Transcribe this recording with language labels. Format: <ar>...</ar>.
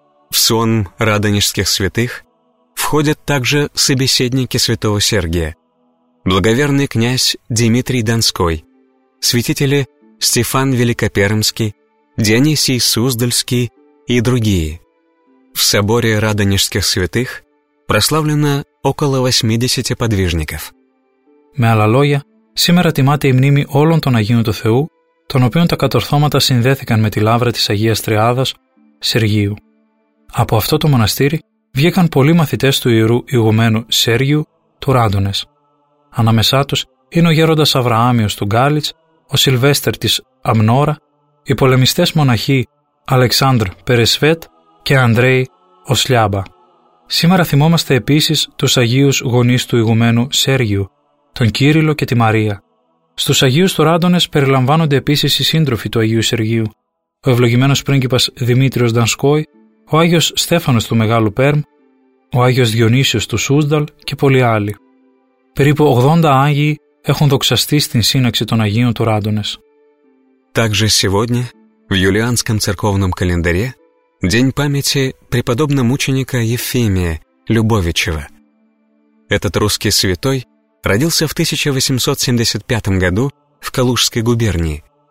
<ru>В сон радонежских святых входят также собеседники святого Сергия: благоверный князь Дмитрий Донской, святители Стефан Великопермский, Дионисий Суздальский и другие. В соборе радонежских святых прославлено около 80 подвижников.</ru> <el>Με άλλα λόγια, σήμερα τιμάται η μνήμη όλων των Αγίων του Θεού, των οποίων τα κατορθώματα συνδέθηκαν με τη λαύρα της Αγίας Τριάδας Σεργίου. Από αυτό το μοναστήρι βγήκαν πολλοί μαθητές του Ιερού Ηγουμένου Σέργιου του Ράντονες. Ανάμεσά τους είναι ο γέροντας Αβραάμιος του Γκάλιτς, ο Σιλβέστερ της Αμνόρα, οι πολεμιστές μοναχοί Αλεξάνδρ Περεσβέτ και Ανδρέι Οσλιάμπα. Σήμερα θυμόμαστε επίσης τους Αγίους γονείς του Ηγουμένου Σέργιου, τον Κύριλο και τη Μαρία. Στους Αγίους του Ράντονες περιλαμβάνονται επίσης οι σύντροφοι του Αγίου Σεργίου, ο ευλογημένος πρίγκιπας Δημήτριος Δανσκόη, ο Άγιος Στέφανος του Μεγάλου Πέρμ, ο Άγιος Διονύσιος του Σούσδαλ και πολλοί άλλοι. Περίπου 80 Άγιοι έχουν δοξαστεί στην σύναξη των Αγίων του Ράντονες.</el> <ru>Также сегодня, в юлианском церковном календаре, день памяти преподобномученика Ефимия Любовичева. Этот русский святой родился в 1875 году в Калужской губернии.</ru>